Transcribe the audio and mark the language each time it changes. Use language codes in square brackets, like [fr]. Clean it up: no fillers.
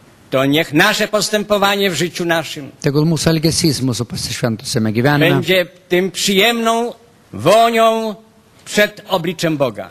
[pl] To niech nasze postępowanie w życiu naszym. [lt] Tegul mūsų elgesys mūsų pasišventusiame gyvenime. [pl] Będzie tym przyjemną wonią przed obliczem Boga.